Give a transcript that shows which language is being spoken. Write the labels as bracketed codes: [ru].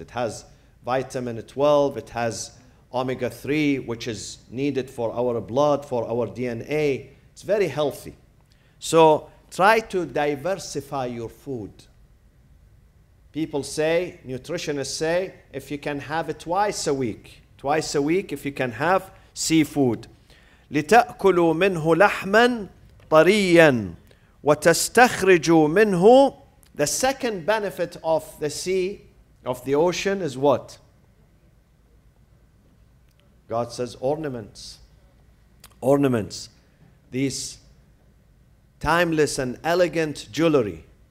[en] It has vitamin 12, it has omega-3, which is needed for our blood, for our DNA. It's very healthy. So try to diversify your food. People say, nutritionists say, if you can have it twice a week, if you can have seafood. [ar] لتأكلوا منه لحما طريا وتستخرجوا منه. [en] The second benefit of the sea, of the ocean, is what? God says ornaments. Ornaments. These timeless and elegant jewelry.